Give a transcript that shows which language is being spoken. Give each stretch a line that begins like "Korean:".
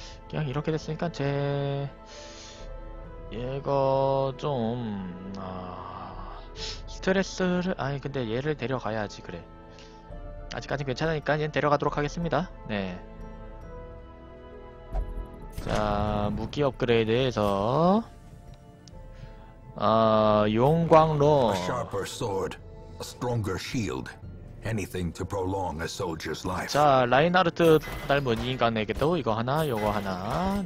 Korean: 그냥 이렇게 됐으니까 얘가 좀 스트레스를 아니 근데 얘를 데려가야지. 그래, 아직까지 괜찮으니까 얘는 데려가도록 하겠습니다. 네, 자 무기 업그레이드에서 용광로.
English: A sharper sword, a stronger shield. Anything to prolong a soldier's life.
Korean: 자, 라인하르트 닮은 인간에게도 이거 하나, 요거 하나.